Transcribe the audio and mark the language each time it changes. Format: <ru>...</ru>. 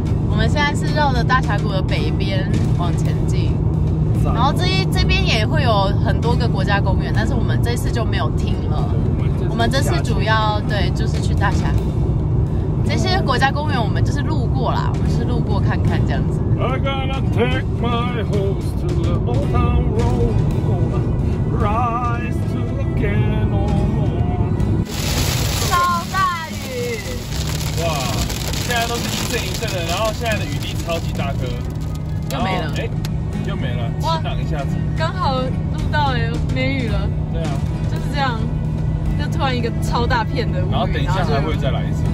<zh>我们现在是绕着大峡谷的北边往前进，然后这边也会有很多个国家公园，但是我们这次就没有停了。我们这次主要对就是去大峡谷，这些国家公园我们就是路过啦，我们是路过看看这样子。</zh> <en>I gotta take my horse to the old town road, rise to the canon.</en> <zh>超大雨！哇，现在都是一阵一阵的，然后现在的雨滴超级大颗，又没了，又没了，晴朗一下子，刚好录到哎，没雨了。对啊，就是这样，就突然一个超大片的雾，然后等一下还会再来一次。</zh>